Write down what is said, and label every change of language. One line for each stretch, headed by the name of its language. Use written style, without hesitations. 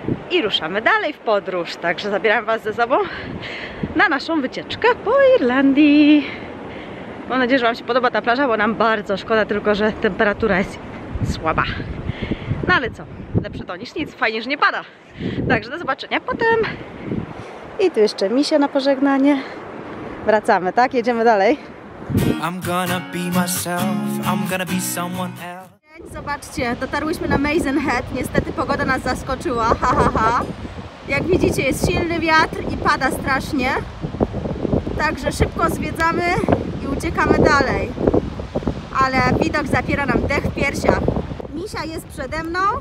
Polish: I ruszamy dalej w podróż, także zabieram was ze sobą na naszą wycieczkę po Irlandii. Mam nadzieję, że wam się podoba ta plaża, bo nam bardzo szkoda tylko, że temperatura jest słaba. No ale co, lepsze to niż nic, fajnie, że nie pada. Także do zobaczenia potem. I tu jeszcze Misia na pożegnanie. Wracamy, tak? Jedziemy dalej.
English: I'm gonna be myself, I'm gonna be someone else.
Polish: Zobaczcie, dotarłyśmy na Maidenhead. Niestety pogoda nas zaskoczyła, ha. Jak widzicie, jest silny wiatr i pada strasznie. Także szybko zwiedzamy i uciekamy dalej. Ale widok zapiera nam dech w piersiach. Misia jest przede mną.